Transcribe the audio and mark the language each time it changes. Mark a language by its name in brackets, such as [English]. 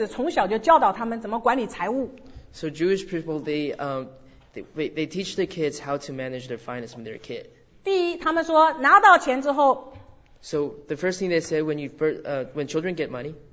[Chinese] 那犹太人他们给孩子从小就教导他们怎么管理财务, [English] so Jewish people they teach the kids how to manage their finance when they're a kid. [Chinese] 第一他们说拿到钱之后, [English] so the first thing they say when you when children get money,